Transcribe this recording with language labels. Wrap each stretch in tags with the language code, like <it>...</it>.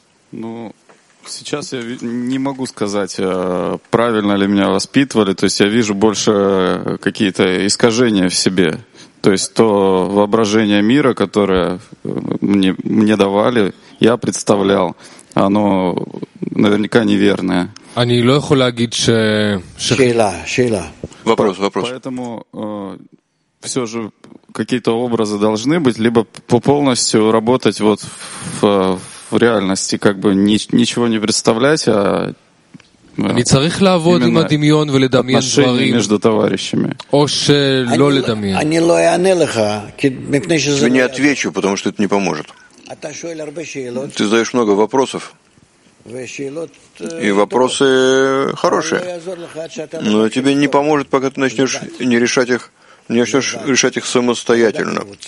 <ru>Ну, сейчас я не могу сказать, правильно ли меня воспитывали, то есть я вижу больше какие-то искажения в себе, то есть то воображение мира, которое мне давали, я представлял, оно наверняка неверное.</ru> <he>אני לא יכול להגיד ש... שאלה, שאלה.</he> <ru>Вопрос, вопрос. Поэтому все же какие-то образы должны быть, либо полностью работать вот в реальности, как бы ничего не представлять, а...</ru> <he>אני צריך לעבוד עם הדמיון ולדמיין דברים.</he> <ru>между товарищами.</ru> <he>או שלא לדמיין. אני לא אענה לך, מפני שזה...</he> <ru>Я не отвечу, потому что это не поможет.</ru> <he>אתה שואל הרבה שאלות.</he> <ru>Ты задаешь много вопросов. И вопросы хорошие, но тебе не поможет, пока ты начнешь решать их самостоятельно.</ru>